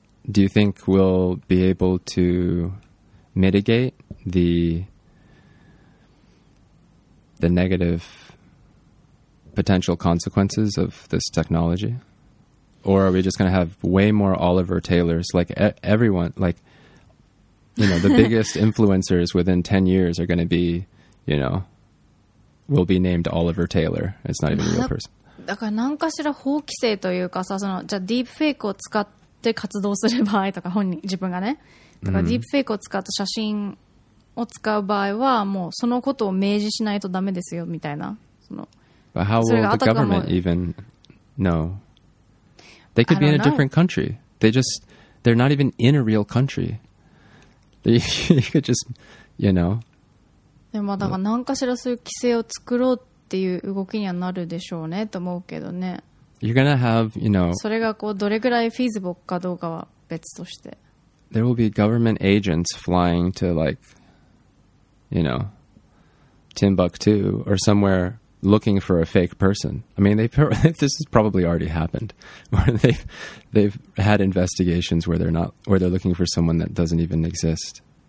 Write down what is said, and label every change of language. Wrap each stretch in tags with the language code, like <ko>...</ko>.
<en>Do you think we'll be able to mitigate the negative potential consequences of this technology? Or are we just going to have way more Oliver Taylors? Like, everyone, like, you know, the biggest influencers within 10 years are going to be, you know, will be named Oliver Taylor. It's not even a real person.</en> <ja>だから何かしら法規制というかさ、その、じゃあディープフェイクを使って活動する場合とか、本人、自分がね。だからディープフェイクを使った写真を使う場合は、もうそのことを明示しないとダメですよ、みたいな。その、</ja> <en>But how will the government even know? They could be in a different country. They're not even in a real country. you could just, you know.</en> <ja>でもだから何かしらそういう規制を作ろうっていう動きにはなるでしょうねと思うけどね。</ja> <en>You're gonna have, you know.</en> <ja>それがこうどれぐらいフィズボかどうかは別として。</ja> <en>There will be government agents flying to like, you know, Timbuktu or somewhere looking for a fake person. I mean, this has probably already happened. Where they've had investigations where they're looking for someone that doesn't even exist.</en>